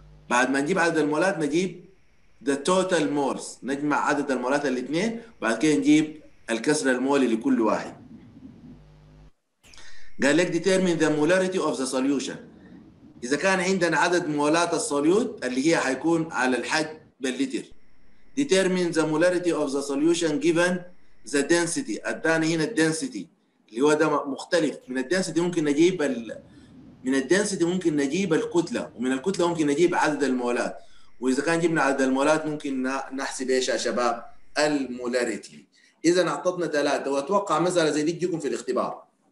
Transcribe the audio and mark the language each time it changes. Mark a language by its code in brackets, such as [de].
[ar] بعد ما نجيب عدد المولات نجيب [en] the total moles, [ar] نجمع عدد المولات الاثنين وبعد كده نجيب الكسر المولي لكل واحد. قال لك [en] determine the molarity of the solution, [ar] اذا كان عندنا عدد مولات السوليوت اللي هي هيكون على الحج باللتر. [en] Determine the molarity of the solution given the density. [ar] الثاني هنا الدنسيتي اللي هو ده مختلف. من الدنسيتي ممكن نجيب الكتلة، ومن الكتلة ممكن نجيب عدد المولات. وإذا كان جبنا عدد المولات ممكن نحسب إيش يا شباب؟ المولاريتي. إذا أعطتنا ثلاثة، وأتوقع مسألة زي دي تجيكم في الاختبار.